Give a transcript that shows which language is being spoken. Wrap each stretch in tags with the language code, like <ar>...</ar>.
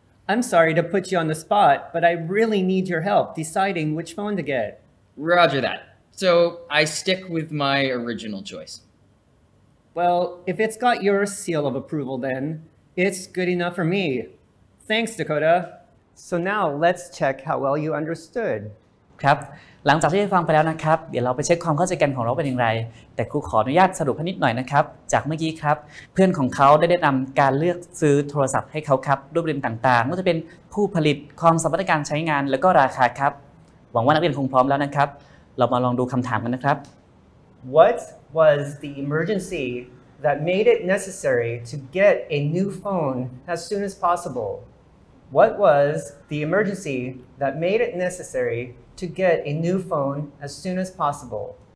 <en>I'm sorry to put you on the spot, but I really need your help deciding which phone to get. Roger that. So I stick with my original choice. Well, if it's got your seal of approval then, it's good enough for me. Thanks, Dakota. So now let's check how well you understood.</en> <th>ครับหลังจากที่ฟังไปแล้วนะครับเดี๋ยวเราไปเช็คความเข้าใจกันของเราเป็นอย่างไรแต่ครูขออนุญาตสรุปให้นิดหน่อยนะครับจากเมื่อกี้ครับเพื่อนของเขาได้แนะนําการเลือกซื้อโทรศัพท์ให้เขาครับรูปแบบต่างๆไม่ว่าจะเป็นผู้ผลิตความสามารถการใช้งานแล้วก็ราคาครับหวังว่านักเรียนคงพร้อมแล้วนะครับเรามาลองดูคําถามกันนะครับ</th> <en>What was the emergency that made it necessary to get a new phone as soon as possible? What was the emergency that made it necessary to get a new phone as soon as possible?</en>